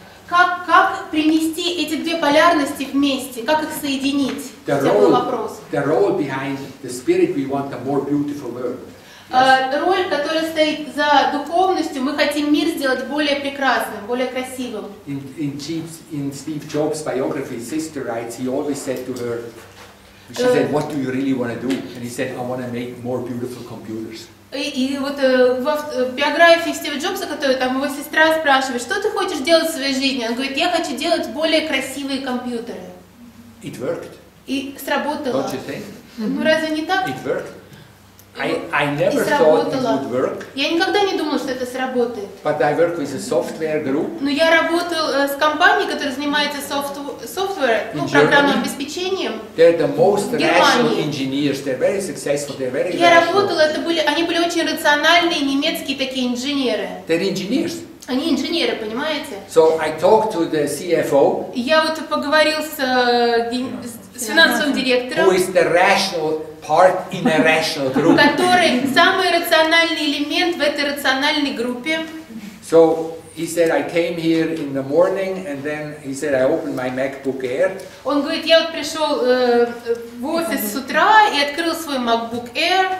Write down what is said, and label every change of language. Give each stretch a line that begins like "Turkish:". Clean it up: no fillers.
Russian: Как принести эти две полярности вместе? Как их соединить?
English: The role, the role behind the spirit, we want a more beautiful world.
Russian: Роль, которая стоит за духовностью, мы хотим мир сделать более прекрасным, более красивым.
English: In Steve Jobs' biography, his sister writes, he always said to her, she said, "What do you really want to do?" And he said, "I want to make more beautiful computers."
Russian: И вот в биографии Стива Джобса, которую там его сестра спрашивает, что ты хочешь делать в своей жизни? Он говорит, я хочу делать более красивые компьютеры.
English: It worked.
Russian: И сработало.
English: Don't you think? Mm-hmm.
Russian: Ну разве не так?
English: It worked. I never thought it would work.
Russian: Я никогда не думал, что это сработает.
English: But I work with a software group.
Russian: Но я работал с компанией, которая занимается software, ну, программным обеспечением.
English: They're the most rational engineers. They're very successful. They're very rational.
Russian: Я работал, они были очень рациональные немецкие такие инженеры.
English: They're engineers.
Russian: Они инженеры, понимаете?
English: So I talked to the CFO.
Russian: Я вот поговорил с финансовым директором.
English: Who is the rational part in a rational group?
Russian: Который самый рациональный элемент в этой рациональной группе.
English: So he said, "I came here in the morning, and then he said I opened my MacBook Air."
Russian: Он говорит, я вот пришел в офис с утра и открыл свой MacBook Air.